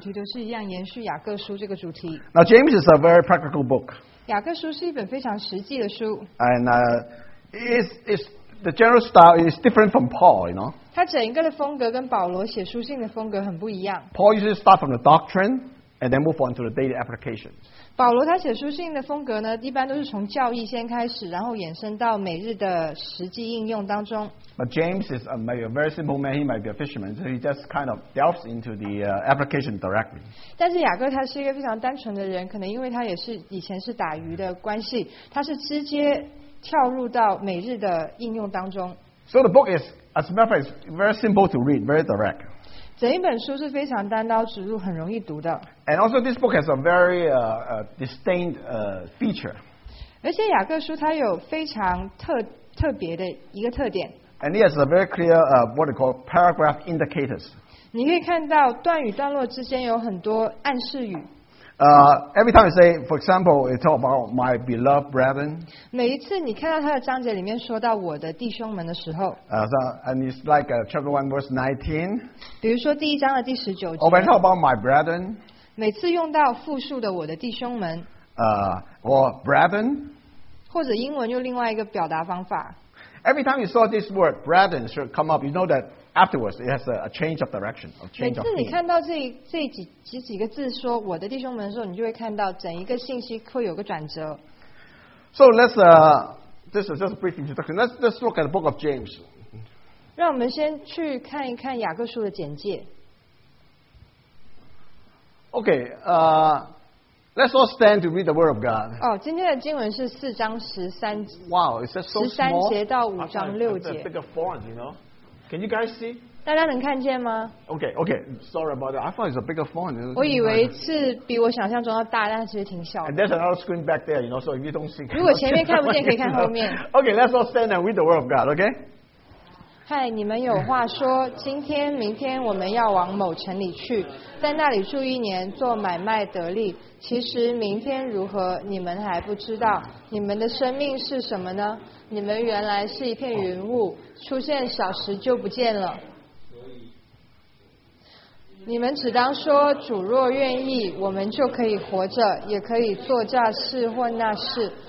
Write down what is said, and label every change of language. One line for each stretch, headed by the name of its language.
Chinese: 基督是一样延续雅各书这个主题。
English: Now James is a very practical book.
Chinese: 雅各书是一本非常实际的书。
English: And it's the general style is different from Paul, you know.
Chinese: 他整个的风格跟保罗写书信的风格很不一样。
English: Paul usually start from the doctrine and then move on to the daily application.
Chinese: 保罗他写书信的风格呢，一般都是从教义先开始，然后衍生到每日的实际应用当中。
English: But James is maybe a very simple man. He might be a fisherman, so he just kind of delves into the application directly.
Chinese: 但是雅各他是一个非常单纯的人，可能因为他也是以前是打鱼的关系，他是直接跳入到每日的应用当中。
English: So the book is, as a matter of fact, very simple to read, very direct.
Chinese: 整一本书是非常单刀直入，很容易读的。
English: And also, this book has a very distinct feature.
Chinese: 而且雅各书它有非常特别的一个特点。
English: And it has a very clear what they call paragraph indicators.
Chinese: 你可以看到段与段落之间有很多暗示语。
English: Every time you say, for example, it talk about my beloved brethren.
Chinese: 每一次你看到它的章节里面说到我的弟兄们的时候。
English: And it's like chapter 1 verse 19.
Chinese: 比如说第一章的第十九节。
English: Or when talk about my brethren.
Chinese: 每次用到复数的我的弟兄们。
English: Or brethren.
Chinese: 或者英文又另外一个表达方法。
English: Every time you saw this word brethren should come up, you know that. Afterwards, it has a change of direction. A change
Chinese: 每次你看到这几个字说我的弟兄们的时候，你就会看到整一个信息会有个转折。
English: So let's this is just a brief introduction. Let's look at the book of James.
Chinese: 让我们先去看一看雅各书的简介。
English: Okay, let's all stand to read the word of God.
Chinese: 哦，今天的经文是四章十三
English: 节。Wow, it's just so small.
Chinese: 十三节到五章六节。
English: It's a bigger font, you know. Can you guys see?
Chinese: 大家能看见吗？
English: Okay. Sorry about that. I thought it's a bigger phone.
Chinese: 我以为是比我想象中要大，但其实挺小的。
English: And there's another screen back there, you know, so if you don't see.
Chinese: 如果前面看不见，可以看后面。
English: Okay, let's all stand and read the word of God, okay?
Chinese: Hi, 你们有话说，今天、明天我们要往某城里去，在那里住一年，做买卖得利。其实明天如何，你们还不知道。你们的生命是什么呢？你们原来是一片云雾，出现小时就不见了。你们只当说，主若愿意，我们就可以活着，也可以做这事或那事。